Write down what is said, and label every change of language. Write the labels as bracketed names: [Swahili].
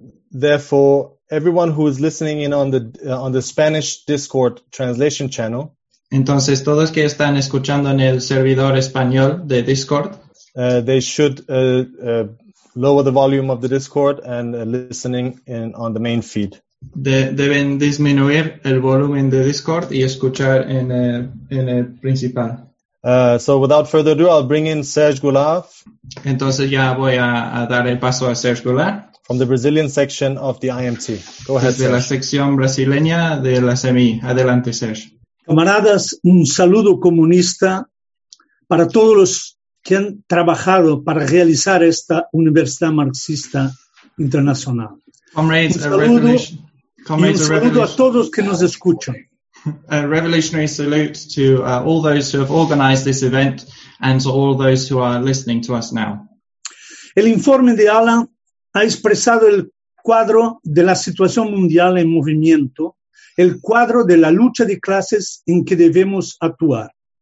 [English] Therefore, everyone who is listening in on the Spanish Discord translation channel. [Spanish] Entonces, todos que están escuchando en el servidor español de Discord, [English] they should lower the volume of the Discord and listening in on the main feed. [Spanish] Deben disminuir el volumen de Discord y escuchar en el principal. [English] So without further ado, I'll bring in Serge Goulart. [Spanish] Entonces ya voy a dar el paso a Serge Goulart. [English] From the Brazilian section of the IMT. Go ahead, [Spanish] Serge. La sección brasileña de la SEMI. Adelante, Serge. Camaradas, un saludo comunista para todos los que han trabajado para realizar esta Universidad Marxista Internacional. [English] Comrades, [Spanish] un saludo a todos que nos escuchan. [English] A revolutionary salute to all those who have organized this event and to all those who are listening to us now. [Spanish] El informe de Alan ha expresado el cuadro de la situación mundial en movimiento, el cuadro de la lucha de clases en que debemos actuar.